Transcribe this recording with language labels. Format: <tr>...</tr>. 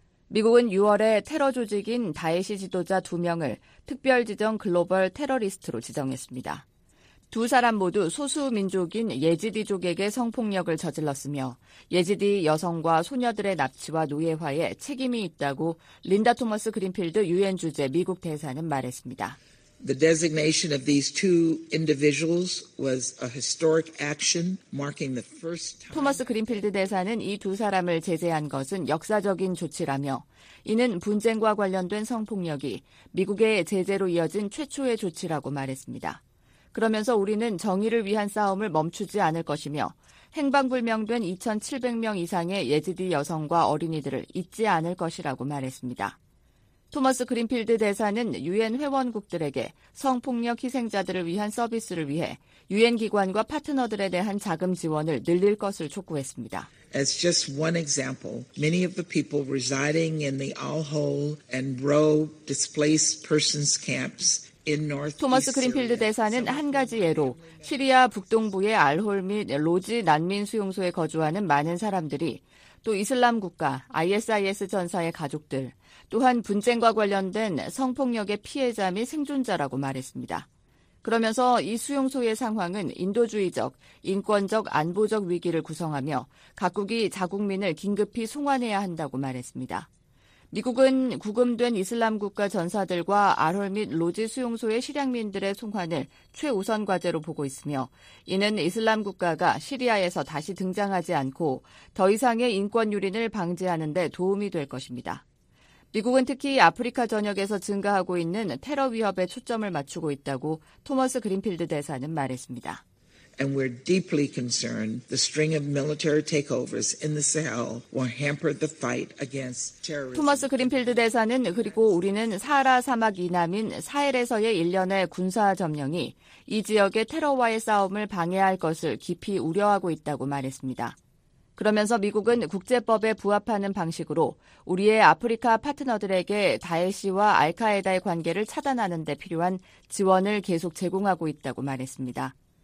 <ko>미국은 6월에 테러 조직인 다에시 지도자 2명을 특별지정 글로벌 테러리스트로 지정했습니다. 두 사람 모두 소수 민족인 예지디족에게 성폭력을 저질렀으며 예지디 여성과 소녀들의 납치와 노예화에 책임이 있다고 린다 토머스 그린필드 유엔 주재 미국 대사는 말했습니다.</ko> <en>The designation of these two individuals was a historic action marking the first time.</en> <ko>토마스 그린필드 대사는 이 두 사람을 제재한 것은 역사적인 조치라며 이는 분쟁과 관련된 성폭력이 미국의 제재로 이어진 최초의 조치라고 말했습니다. 그러면서 우리는 정의를 위한 싸움을 멈추지 않을 것이며 행방불명된 2,700명 이상의 예지디 여성과 어린이들을 잊지 않을 것이라고 말했습니다. 토머스 그린필드 대사는 유엔 회원국들에게 성폭력 희생자들을 위한 서비스를 위해 유엔 기관과 파트너들에 대한 자금 지원을 늘릴 것을 촉구했습니다.</ko> <en>As just one example, many of the people residing in the Al-Hol and Ro displaced persons camps</en> <ko>토머스 그린필드 대사는 한 가지 예로 시리아 북동부의 알홀 및 로지 난민 수용소에 거주하는 많은 사람들이 또 이슬람 국가 ISIS 전사의 가족들 또한 분쟁과 관련된 성폭력의 피해자 및 생존자라고 말했습니다. 그러면서 이 수용소의 상황은 인도주의적, 인권적, 안보적 위기를 구성하며 각국이 자국민을 긴급히 송환해야 한다고 말했습니다. 미국은 구금된 이슬람 국가 전사들과 알홀 및 로지 수용소의 실향민들의 송환을 최우선 과제로 보고 있으며 이는 이슬람 국가가 시리아에서 다시 등장하지 않고 더 이상의 인권 유린을 방지하는 데 도움이 될 것입니다. 미국은 특히 아프리카 전역에서 증가하고 있는 테러 위협에 초점을 맞추고 있다고 토머스 그린필드 대사는 말했습니다.</ko> <en>And we're deeply concerned the string of military takeovers in the Sahel will hamper the fight against terrorism.</en> <ko>토마스 그린필드 대사는 그리고 우리는 사하라 사막 이남인 사헬에서의 일련의 군사 점령이 이 지역의 테러와의 싸움을 방해할 것을 깊이 우려하고 있다고 말했습니다. 그러면서 미국은 국제법에 부합하는 방식으로 우리의 아프리카 파트너들에게 다에시와 알카에다의 관계를 차단하는 데 필요한 지원을 계속 제공하고 있다고 말했습니다.</ko>